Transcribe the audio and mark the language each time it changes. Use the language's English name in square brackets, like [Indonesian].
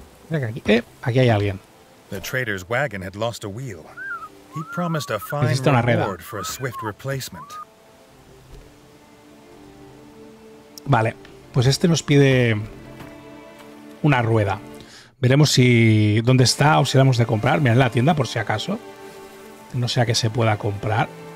[Spanish] Venga, aquí, aquí hay alguien. [English] The trader's wagon had lost a wheel. He promised a fine reward for a swift replacement. [Spanish] Vale, pues este nos pide una rueda. Veremos si dónde está o si la hemos de comprar. Mira, en la tienda, por si acaso. No sea que se pueda comprar.